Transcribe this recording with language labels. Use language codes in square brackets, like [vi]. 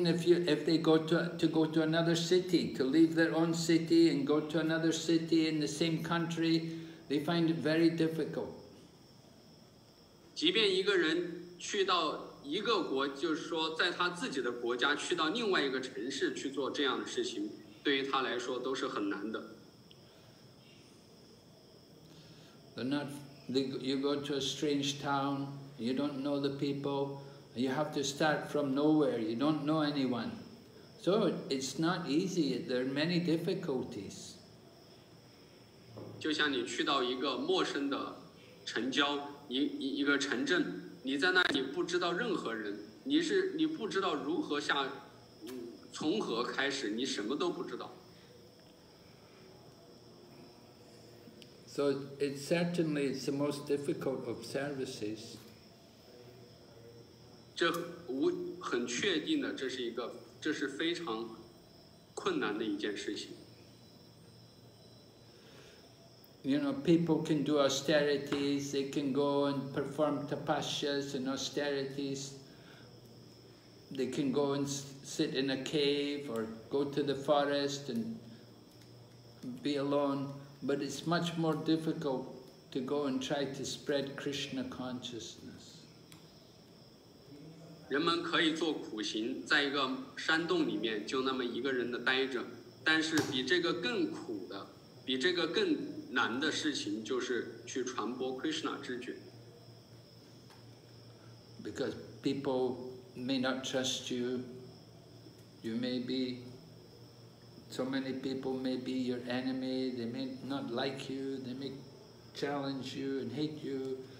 [en] Even if they go to another city, to leave their own city and go to another city in the same country, they find it very difficult. [zh] 即便一个人去到一个国，就是说在他自己的国家去到另外一个城市去做这样的事情，对于他来说都是很难的。 [en] You go to a strange town, you don't know the people, you have to start from nowhere, you don't know anyone. So it's not easy, there are many difficulties. [zh] 就像你去到一个陌生的城郊，一个城镇，你在那里不知道任何人，你不知道如何下，从何开始，你什么都不知道。 [en] So it certainly is the most difficult of services. [zh] 这很确定的，这是非常困难的一件事情。 [en] You know, people can do austerities, they can go and perform tapasyas and austerities. They can go and sit in a cave or go to the forest and be alone. But it's much more difficult to go and try to spread Krishna consciousness. [zh] 人们可以做苦行，在一个山洞里面就那么一个人的待着，但是比这个更苦的，比这个更难的事情就是去传播 Krishna 知觉。 [en] Because people may not trust you, you may be. So many people may be your enemy, they may not like you, they may challenge you and hate you.